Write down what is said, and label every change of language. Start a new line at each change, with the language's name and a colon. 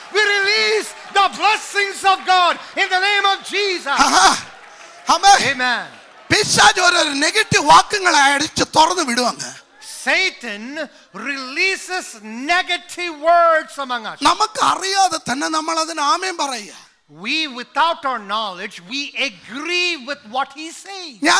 English: We release the blessings of God in the name of Jesus. Amen.
Malayalam: പിശാച് ഒരു negative വാക്കുകളെ അടിച്ച് തുറന്നു വിടുവാങ്ങ.
English: Satan releases negative words among us.
Malayalam: നമുക്ക് അറിയാതെ തന്നെ നമ്മൾ അതിന് ആമേൻ പറയുക.
English: We without our knowledge we agree with what he says.